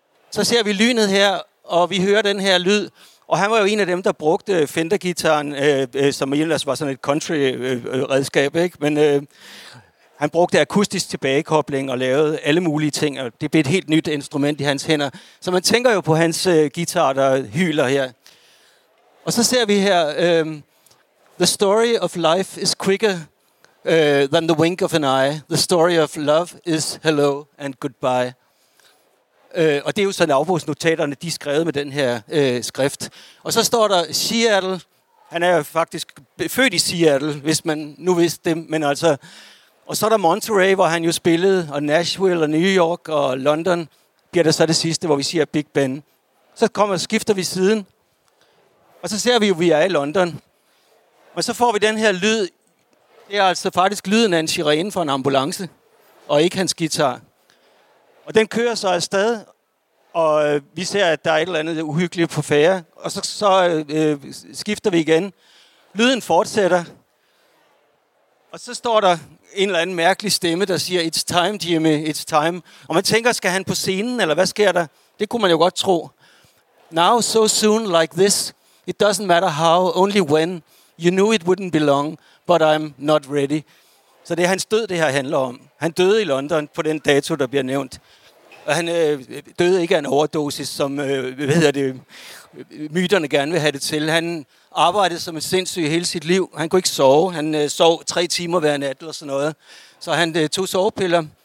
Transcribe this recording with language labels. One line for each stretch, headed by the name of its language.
Danish: Så ser vi lynet her, og vi hører den her lyd, og han var jo en af dem, der brugte Fender-gitaren, som ellers var sådan et country-redskab, ikke? Men han brugte akustisk tilbagekobling og lavede alle mulige ting, og det blev et helt nyt instrument i hans hænder. Så man tænker jo på hans guitar, der hyler her. Og så ser vi her,
English: the story of life is quicker than the wink of an eye. The story of love is hello and goodbye.
Danish: Og det er jo sådan, at afbogsnotaterne, de er skrevet med den her skrift. Og så står der Seattle. Han er jo faktisk født i Seattle, hvis man nu vidste det, men altså. Og så er der Monterey, hvor han jo spillede, og Nashville og New York og London, bliver der så det sidste, hvor vi siger Big Ben. Så kommer og skifter vi siden, og så ser vi jo, vi er i London. Og så får vi den her lyd. Det er altså faktisk lyden af en sirene fra en ambulance, og ikke hans guitar. Og den kører så afsted, og vi ser, at der er et eller andet uhyggeligt på færde. Og så skifter vi igen. Lyden fortsætter. Og så står der en eller anden mærkelig stemme, der siger,
English: it's time, Jimmy, it's time.
Danish: Og man tænker, skal han på scenen, eller hvad sker der? Det kunne man jo godt tro.
English: Now, so soon, like this, it doesn't matter how, only when. You knew it wouldn't be long, but I'm not ready.
Danish: Så det er hans død, det her handler om. Han døde i London på den dato, der bliver nævnt. Og han døde ikke af en overdosis, som myterne gerne vil have det til. Han arbejdede som en sindssyg hele sit liv. Han kunne ikke sove. Han sov 3 timer hver nat eller sådan noget. Så han tog sovepiller.